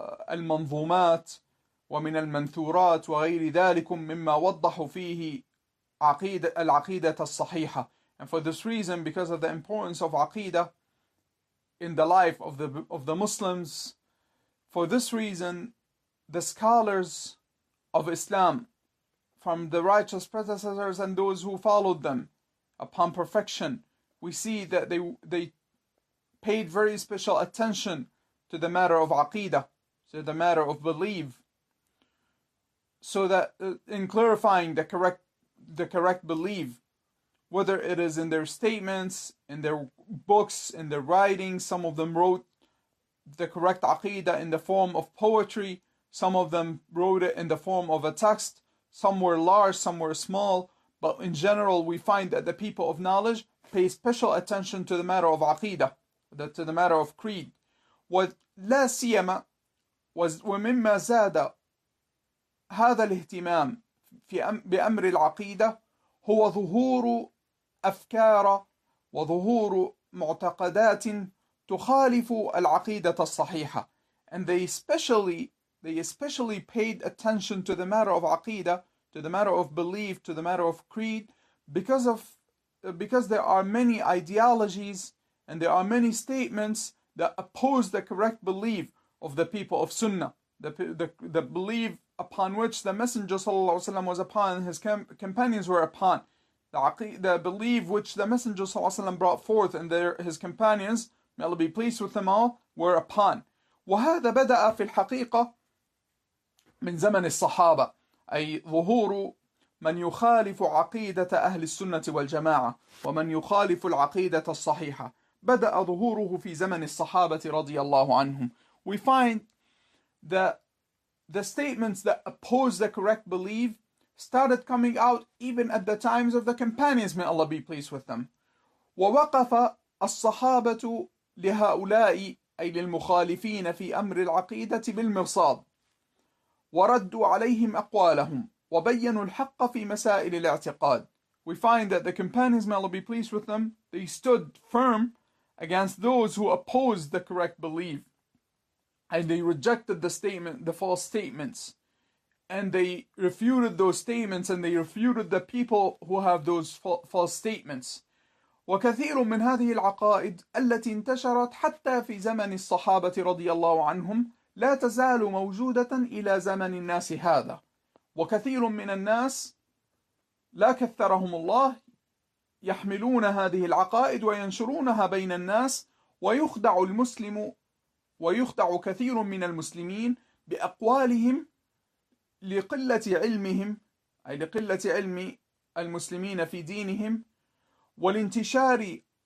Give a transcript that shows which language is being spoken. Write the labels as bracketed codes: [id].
[ar] المنظومات ومن المنثورات وغير ذلك مما وضحوا فيه العقيدة الصحيحة. [en] And for this reason, because of the importance of عقيدة in the life of the Muslims, for this reason, the scholars of Islam, from the righteous predecessors and those who followed them upon perfection, we see that they paid very special attention to the matter of عقيدة, to the matter of belief, so that in clarifying the correct belief, whether it is in their statements, in their books, in their writings. Some of them wrote the correct aqidah in the form of poetry. Some of them wrote it in the form of a text. Some were large, some were small. But in general, we find that the people of knowledge pay special attention to the matter of aqidah, to the matter of creed. [ar] ولا سيما ومما زاد هذا الاهتمام بأمر العقيدة هو ظهور أفكار وظهور معتقدات تخالف العقيدة الصحيحة. [en] And they especially paid attention to the matter of aqidah, to the matter of belief, to the matter of creed, because there are many ideologies and there are many statements that oppose the correct belief of the people of Sunnah, the belief upon which the Messenger sallallahu alaihi wasallam was upon, his companions were upon. The belief which the Messenger sallallahu alaihi wasallam brought forth and his companions, may Allah be pleased with them all, were upon. [ar] وهذا بدأ في الحقيقة من زمن الصحابة، أي ظهور من يخالف عقيدة أهل السنة والجماعة ومن يخالف العقيدة الصحيحة. بدأ ظهوره في زمن الصحابة رضي الله عنهم. [en] We find that the statements that oppose the correct belief started coming out even at the times of the companions, may Allah be pleased with them. [ar] ووقف الصحابة لهؤلاء أي للمخالفين في أمر العقيدة بالمرصاد وردوا عليهم أقوالهم وبينوا الحق في مسائل الاعتقاد. [en] We find that the companions, may Allah be pleased with them, they stood firm against those who opposed the correct belief. And they rejected the false statements, and they refuted those statements, and they refuted the people who have those false statements. [ar] وكثير من هذه العقائد التي انتشرت حتى في زمن الصحابة رضي الله عنهم لا تزال موجودة إلى زمن الناس هذا. وكثير من الناس لا كثرهم الله يحملون هذه العقائد وينشرونها بين الناس، ويخدع المسلم ويخدع كثير من المسلمين بأقوالهم لقلة علمهم، أي لقلة علم المسلمين في دينهم، والانتشار